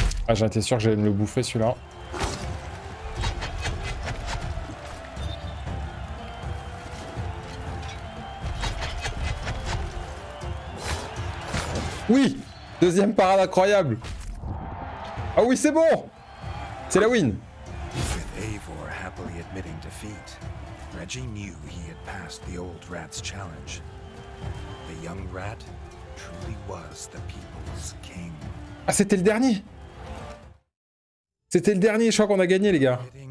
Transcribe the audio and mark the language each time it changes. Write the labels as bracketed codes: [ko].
[fr] Ah, j'en étais sûr que j'allais me le bouffer celui-là. Oui! Deuxième parade incroyable! Ah oui, c'est bon! C'est la win! [en] With Eivor happily admitting defeat, Reggie knew he had passed the old rat's challenge. The young rat truly was the people's king. [fr] Ah, c'était le dernier! C'était le dernier choix qu'on a gagné, les gars.